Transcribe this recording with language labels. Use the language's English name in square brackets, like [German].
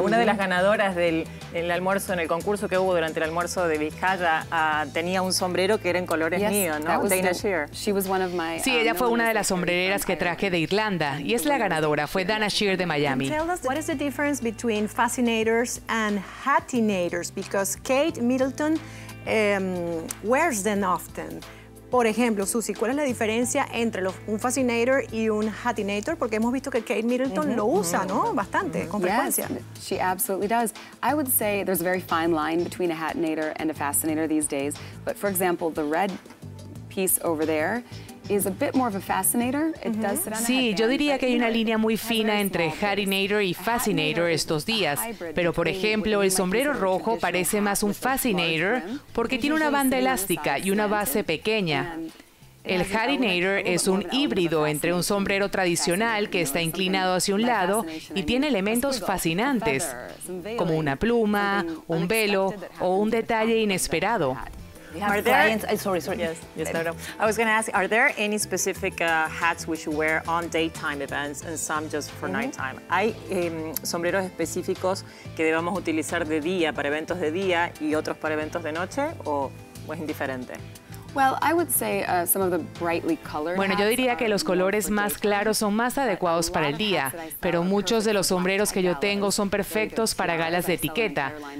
[Spanish] Una de las ganadoras del almuerzo, en el concurso que hubo durante el almuerzo de Vizcaya, tenía un sombrero que era en colores Sí, ella fue una de las sombrereras que traje de Irlanda y es la ganadora. Fue Dana Shear de Miami. [English] What is the difference between fascinators and hatinators? Because Kate Middleton wears them often. [Spanish] Por ejemplo, Susie, ¿cuál es la diferencia entre un fascinator y un hatinator? Porque hemos visto que Kate Middleton lo usa, ¿no? Bastante, con frecuencia. [English] Yes, she absolutely does. I would say there's a very fine line between a hatinator and a fascinator these days. But for example, the red piece over there is a bit more of a fascinator. It does sit on a [Spanish] Sí, yo diría que hay una línea muy fina entre hatinator y fascinator estos días. Pero, por ejemplo, el sombrero rojo parece más un fascinator porque tiene una banda elástica y una base pequeña. El hatinator es un híbrido entre un sombrero tradicional que está inclinado hacia un lado y tiene elementos fascinantes, como una pluma, un velo o un detalle inesperado. [English] I was going to ask, are there any specific hats we should wear on daytime events and some just for nighttime? [Spanish] ¿Hay sombreros específicos que debamos utilizar de día para eventos de día y otros para eventos de noche o es indiferente? Bueno, yo diría que los colores más claros son más adecuados para el día, pero muchos de los sombreros que yo tengo son perfectos para galas de etiqueta.